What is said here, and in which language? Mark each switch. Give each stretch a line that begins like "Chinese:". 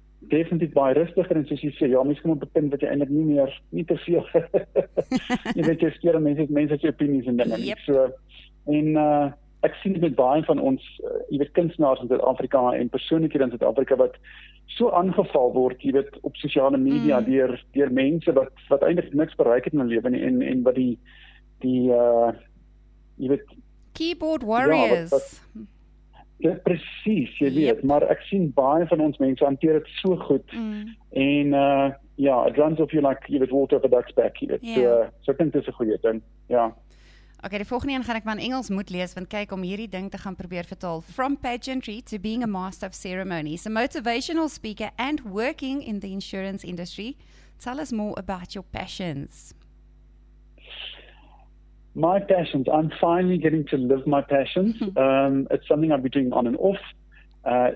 Afrikaans: Definitief baie rustiger, en soos jy sê, ja, mense kom op 'n punt wat jy eindelijk nie meer, nie te veel, jy weet, jy skeer mense het jou opinies en dinge nie, so, en ek sien met baie van ons, jy weet, kunstenaars in Suid-Afrika en persoonlikhede in Suid-Afrika wat so aangeval word, jy weet, op sosiale media deur mense wat eintlik niks bereik het in hulle lewe nie, en wat die jy weet,
English: keyboard warriors. Ja,
Afrikaans: precies, jy weet, maar ek sien baie van ons mense hanteer het so goed, en ja,
English: it runs off you like,
Afrikaans: jy weet,
English: water of a duck's back,
Afrikaans: jy weet, so ek dink dit is 'n goeie ding, ja. Okay, die volgende een gaan ek maar in Engels moet lees, want kyk, om hierdie ding te gaan probeer vertaal.
English: From pageantry to being a master of ceremonies, a motivational speaker and working in the insurance industry, tell us more about your passions. My passions, I'm finally getting to live my passions. It's something I've been doing on and off.